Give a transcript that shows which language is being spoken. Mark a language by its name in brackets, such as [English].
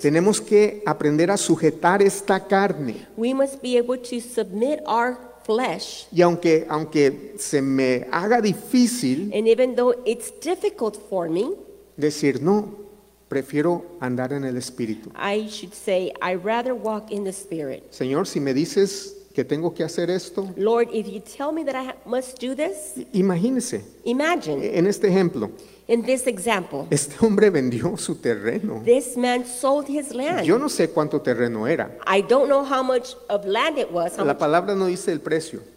[Spanish] Tenemos que aprender a sujetar esta carne. [English] We must be able to submit our flesh, [Spanish] y aunque se me haga difícil, [English] and even though it's difficult for me, [Spanish] decir no, prefiero andar en el Espíritu. [English] I should say, I rather walk in the Spirit. [Spanish] Señor, si me dices que tengo que hacer esto, [English] Lord, if you tell me that I must do this, [Spanish] imagínese. [English] Imagine. [Spanish] En este ejemplo. [English] In this example, [Spanish] este hombre vendió su terreno. [English] This man sold his land. [Spanish] Yo no sé cuánto terreno era. [English] I don't know how much of land it was. [Spanish] La palabra no dice el precio.